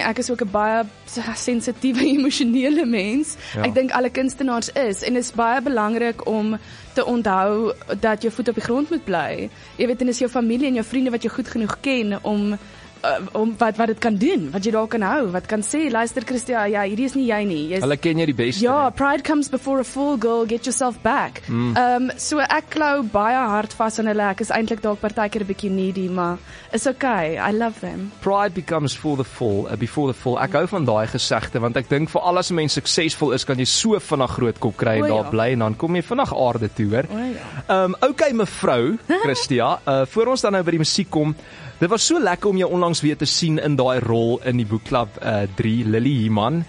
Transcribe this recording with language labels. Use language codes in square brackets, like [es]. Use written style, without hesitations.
[af] Ek is ook 'n baie sensitiewe, emosionele mens. Ja. Ek dink alle kunstenaars is. En is baie belangrik om te onthou dat jou voet op die grond moet bly. Jy weet, en is jou familie en jou vriende wat jou goed genoeg ken om wat dit kan doen, wat jy daar kan hou, wat kan sê, luister Christia, ja, hierdie is nie jy nie. Hulle ken jy die beste. [en] Ja, pride comes before a fall, girl, get yourself back. [af] So ek klou baie hard vas aan hulle, ek is eintlik dalk partykeer 'n bietjie needy, maar is okay, [en] I love them. Pride becomes before the fall. [af] Ek hou van daai gesegde, want ek dink vir alles 'n mens suksesvol is, kan jy so vinnig groot kop kry en daar bly en dan kom jy vinnig aarde toe, hoor. Okay, mevrou Christia, voor ons dan nou by die musiek kom, dit was so lekker om jou onlangs weer te sien in daai rol in die boekklub 3, Lily Heeman.